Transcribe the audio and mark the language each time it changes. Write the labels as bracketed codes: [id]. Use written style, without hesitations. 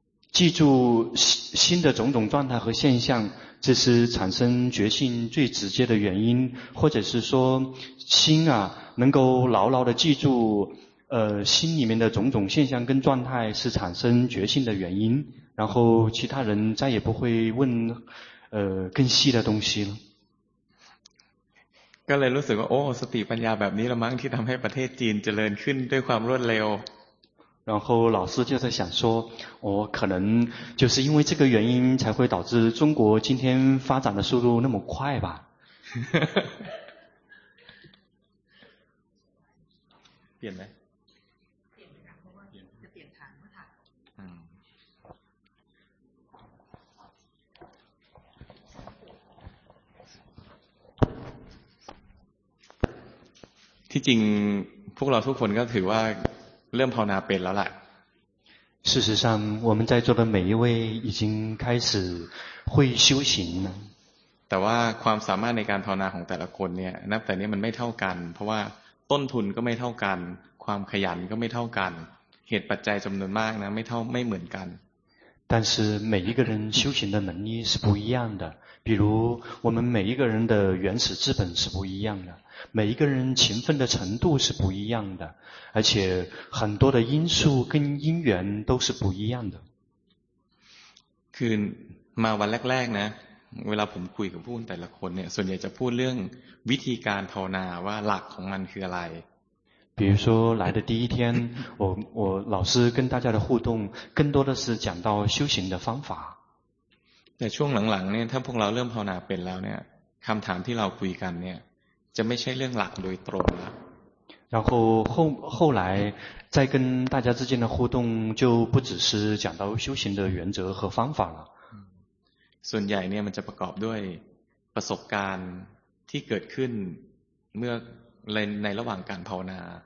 [zh] 记住心的种种状态和现象这是产生觉性最直接的原因或者是说心啊能够牢牢地记住心里面的种种现象跟状态是产生觉性的原因然后其他人再也不会问更细的东西了 [th] ก็เลยรู้สึกว่าโอ้สติปัญญาแบบนี้ละมั้งที่ทำให้ประเทศจีนเจริญขึ้นด้วยความรวดเร็ว [zh] 然后老师就在想说我、哦、可能就是因为这个原因才会导致中国今天发展的速度那么快吧变没 [th] ที่จริงพวกเราทุกคนก็ถือว่าเริ่มภาวนาเป็นแล้วล่ะ [zh] 事实上我们在座的每一位已经开始会修行了 [th] แต่ว่าความสามารถในการภาวนาของแต่ละคนเนี่ยนับแต่นี้มันไม่เท่ากันเพราะว่าต้นทุนก็ไม่เท่ากันความขยันก็ไม่เท่ากันเหตุปัจจัยจำนวนมากนะไม่เท่าไม่เหมือนกัน [zh] 但是每一个人修行的能力是不一样的比如我们每一个人的原始资本是不一样的每一个人勤奋的程度是不一样的而且很多的因素跟因缘都是不一样的 [th] คือมาวันแรกๆนะเวลาผมคุยกับผู้คนแต่ละคนเนี่ยส่วนใหญ่จะพูดเรื่องวิธีการภาวนาว่าหลักของมันคืออะไร [zh] 比如说来的第一天我老师跟大家的互动更多的是讲到修行的方法 [th] แต่ช่วงหลังๆเนี่ยถ้าพวกเราเริ่มภาวนาเป็นแล้วเนี่ยคำถามที่เราคุยกันเนี่ยจะไม่ใช่เรื่องหลักโดยตรงแล้ว [zh] 然后后来在跟大家之间的互动就不只是讲到修行的原则和方法了 [th] ส่วนใหญ่เนี่ยมันจะประกอบด้วยประสบการณ์ที่เกิดขึ้นเมื่อในระหว่างการภาวนา